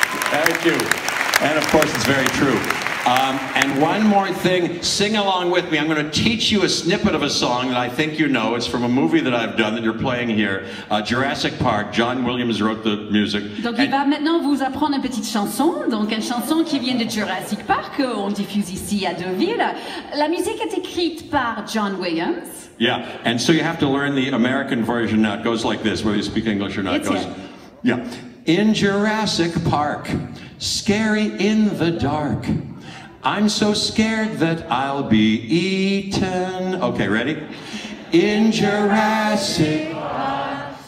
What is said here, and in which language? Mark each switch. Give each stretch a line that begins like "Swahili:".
English: Thank you. And of course, it's very true. And one more thing, sing along with me. I'm going to teach you a snippet of a song that I think you know. It's from a movie that I've done that you're playing here, Jurassic Park. John Williams wrote the music.
French: Donc il va maintenant vous apprendre une petite chanson, donc une chanson qui vient de Jurassic Park, on diffuse ici à Deauville. La musique est écrite par John Williams.
English: Yeah, and so you have to learn the American version now. It goes like this, whether you speak English or not. It's goes, yeah. In Jurassic Park, scary in the dark. I'm so scared that I'll be eaten. Okay, ready? In Jurassic Park,